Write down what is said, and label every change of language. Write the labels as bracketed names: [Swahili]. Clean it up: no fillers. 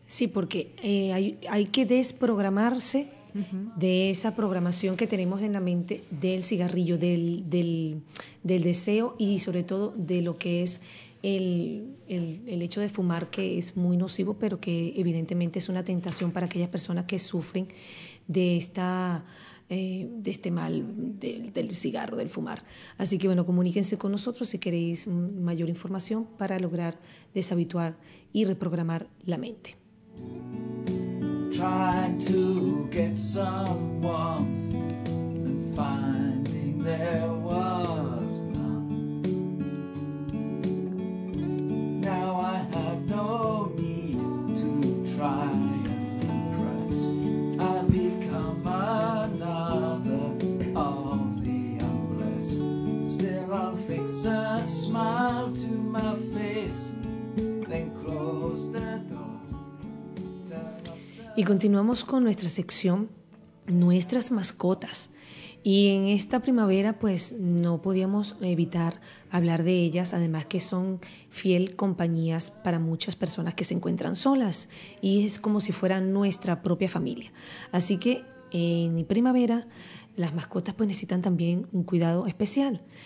[Spanish] Sí, porque hay que desprogramarse de esa programación que tenemos en la mente del cigarrillo, del deseo y sobre todo de lo que es el hecho de fumar, que es muy nocivo, pero que evidentemente es una tentación para aquellas personas que sufren de esta de este mal del cigarro, del fumar. Así que bueno, comuníquense con nosotros si queréis mayor información para lograr deshabituar y reprogramar la mente. [English] Trying to get some warmth and finding there was none. Now I have no need to try and impress. I've become another of the unblessed. Still I'll fix a smile to my face, then close the door. [Spanish] Y continuamos con nuestra sección, nuestras mascotas. Y en esta primavera, pues no podíamos evitar hablar de ellas, además que son fiel compañías para muchas personas que se encuentran solas. Y es como si fueran nuestra propia familia. Así que en primavera, las mascotas pues necesitan también un cuidado especial.